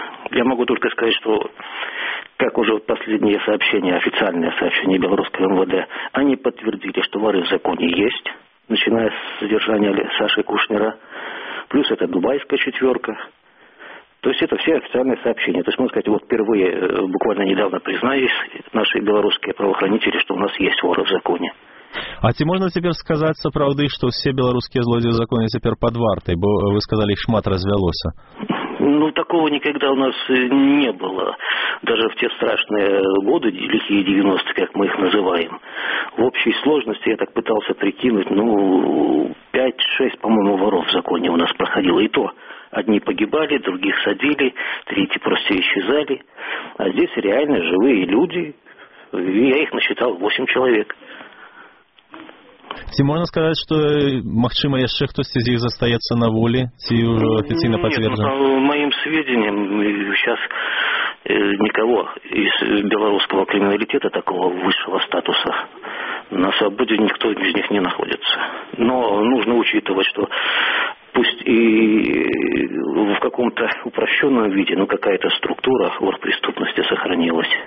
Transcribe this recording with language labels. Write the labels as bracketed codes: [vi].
[ru] Я могу только сказать, что как уже последние сообщения, официальные сообщения белорусского МВД, они подтвердили, что воры в законе есть, начиная с задержания Саши Кушнера, плюс это дубайская четверка. То есть это все официальные сообщения. То есть, можно сказать, вот впервые, буквально недавно признались наши белорусские правоохранители, что у нас есть воры в законе. [be] А ці можна цяпер сказаць сапраўды, што ўсе беларускія злодзеі ў законе цяпер пад вартай, бо вы сказалі, іх шмат развялося? [ru] Ну, такого никогда у нас не было. Даже в те страшные годы, лихие 90-е, как мы их называем, в общей сложности я так пытался прикинуть, ну, 5-6, по-моему, воров в законе у нас проходило. И то одни погибали, других садили, третьи просто исчезали. А здесь реально живые люди, я их насчитал 8 человек. [be] Ці можна сказаць, што магчыма яшчэ хтось з іх застаецца на волі, ці ўжо афіцыйна пацверджана? [ru] Ну, маім сведениям, сейчас никого из белорусского криминалитета такого высшего статуса на свободе никто из них не находится. Но нужно учитывать, что пусть и в каком-то упрощенном виде, но какая-то структура оргпреступности сохранилась.